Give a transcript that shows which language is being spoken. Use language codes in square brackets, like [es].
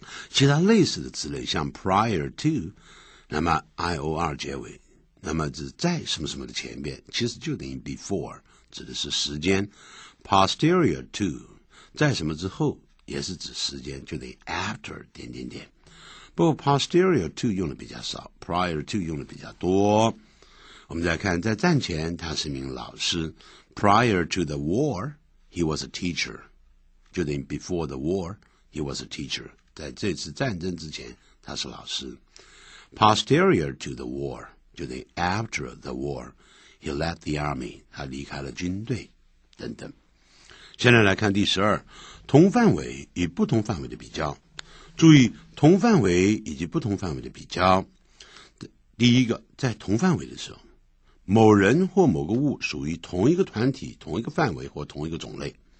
[zh] 其他类似的词类，像 prior to， 那么 ior 结尾，那么是在什么什么的前面，其实就等于 before， 指的是时间。 posterior to， 在什么之后，也是指时间，就等于 after 点点点。不过 posterior to 用的比较少， prior to 用的比较多。我们再看，在战前他是一名老师， [en] prior to the war he was a teacher， [zh] 就等于 [en] before the war he was a teacher， [zh] 在这次战争之前他是老师。 [en] posterior to the war [zh] 就等于 [en] after the war he left the army， [zh] 他离开了军队等等。现在来看第十二，同范围与不同范围的比较。注意同范围以及不同范围的比较。第一个，在同范围的时候，某人或某个物属于同一个团体、同一个范围或同一个种类。